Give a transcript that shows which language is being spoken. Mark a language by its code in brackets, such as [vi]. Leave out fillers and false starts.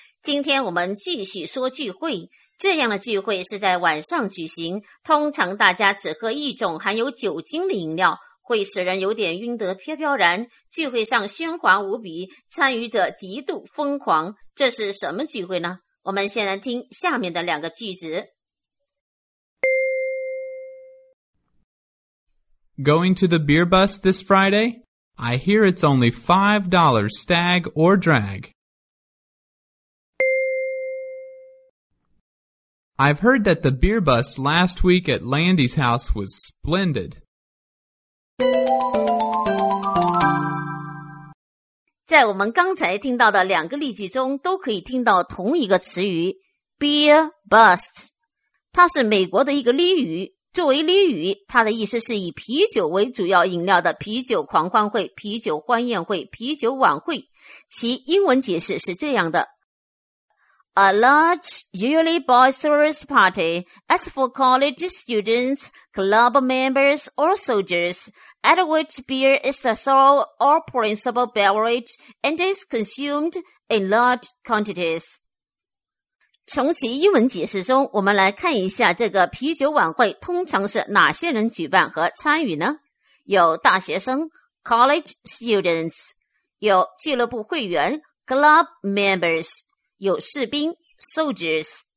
[zh] 今天我们继续说聚会。这样的聚会是在晚上举行，通常大家只喝一种含有酒精的饮料，会使人有点晕得飘飘然，聚会上喧哗无比，参与者极度疯狂。这是什么聚会呢？我们先来听下面的两个句子。 [en] Going to the beer bus this Friday? I hear it's only $5 stag or drag. I've heard that the beer bus last week at Landy's house was splendid. [zh] 在我们刚才听到的两个例句中都可以听到同一个词语 beer bus. 它是美国的一个俚语。作为俚语，它的意思是以啤酒为主要饮料的啤酒狂欢会、啤酒欢宴会、啤酒晚会。其英文解释是这样的 [en] A large yearly boisterous party as for college students, club members or soldiers, at which beer is the sole or principal beverage and is consumed in large quantities. [zh] 从其英文解释中，我们来看一下这个啤酒晚会通常是哪些人举办和参与呢？有大学生 [en] college students， [zh] 有俱乐部会员 [en] club members， [zh] 有士兵 soldiers。